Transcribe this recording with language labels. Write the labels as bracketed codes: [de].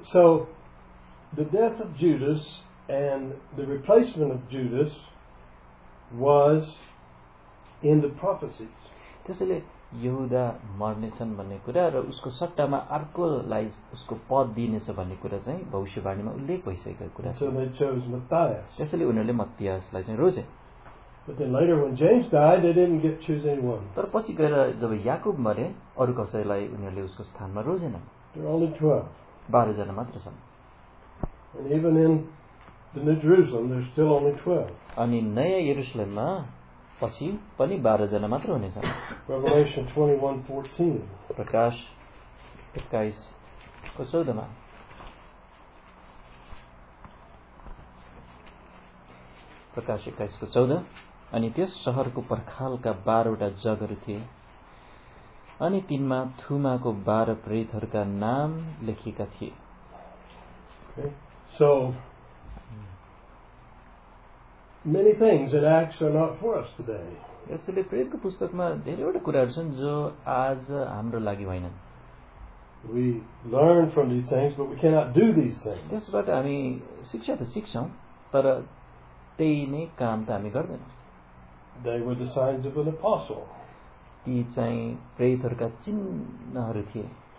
[en] So the death of Judas and the replacement of Judas was in the prophecies. [ne] त्यसैले यहुदा मर्ने छन् भन्ने कुरा र उसको सट्टामा अर्कोलाई उसको पद दिइनेछ भन्ने कुरा चाहिँ भविष्यवाणीमा उल्लेख भइसकेको कुरा छ. [en] So they chose Matthias. [ne] त्यसैले उनीहरूले मत्तियासलाई चाहिँ रोजे. [en] But then later when James died, they didn't get to choose anyone. [ne] तर पछि गएर जब याकुब मरे अरु कसैलाई उनीहरूले उसको स्थानमा रोजेन. [en] There are only 12. [ne] 12 जना मात्र छन्. [en] And even in the New Jerusalem, there's still only 12. [ne] अनि नयाँ यरुशलेममा पछि पनि 12 जना मात्र हुनेछ. [en] Revelation 21:14. [ne] प्रकाश 21 को 14मा. प्रकाश 21:14. अनि त्यस सहरको पर्खालका 12 जगहरू थिए अनि तिनमा थुमाको 12 प्रेरितहरूका नाम लेखिएका थिए. [en] So many things that acts are not for us today. [ne] यसले प्रेरितको पुस्तकमा धेरैवटा कुराहरू छन् जो आज हाम्रो लागि होइनन्. [en] We learn from these things, but we cannot do these things. Yes, but I mean, [ne] siksha ta sikchhau, tara tei nai kaam ta hami gardainau. [en] They were the signs of an apostle. [ne] Ti chai praitharu ka chinha haru thie.